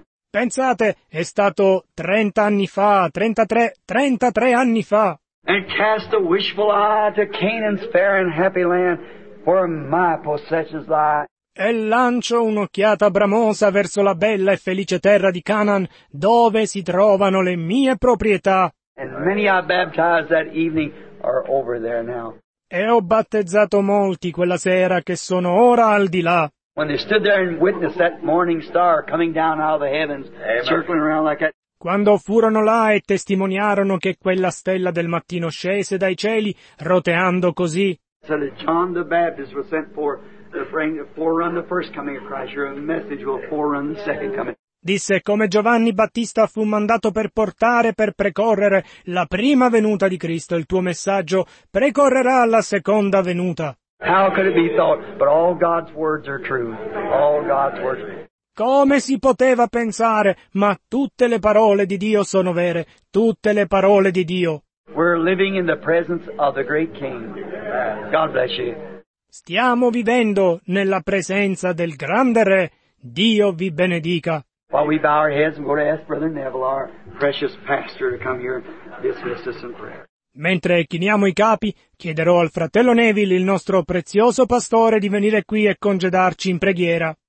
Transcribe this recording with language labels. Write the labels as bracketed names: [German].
[Italian] Pensate, è stato 30 anni fa, 33 anni fa. [English] And cast a wishful eye to Canaan's fair and happy land, where my possessions lie. [Italian] E lancio un'occhiata bramosa verso la bella e felice terra di Canaan, dove si trovano le mie proprietà. [English] And many I baptized that evening are over there now. [Italian] E ho battezzato molti quella sera che sono ora al di là. [English] When they stood there and witnessed that morning star coming down out of the heavens, amen, circling around like that. [Italian] Quando furono là e testimoniarono che quella stella del mattino scese dai cieli, roteando così. [English] So that John the Baptist was sent for to forerun the first coming of Christ. Your message will forerun the second coming. [Italian] Disse, come Giovanni Battista fu mandato per portare, per precorrere la prima venuta di Cristo, il tuo messaggio precorrerà la seconda venuta. [English] How could it be thought? But all God's words are true. All God's words. [Italian] Come si poteva pensare? Ma tutte le parole di Dio sono vere. Tutte le parole di Dio. [English] We're living in the presence of the great King. God bless you. [Italian] Stiamo vivendo nella presenza del grande Re. Dio vi benedica. [English] While we bow our heads and go to ask Brother Neville, our precious pastor, to come here and dismiss us in prayer. [Italian] Mentre chiniamo i capi, chiederò al fratello Neville, il nostro prezioso pastore, di venire qui e congedarci in preghiera.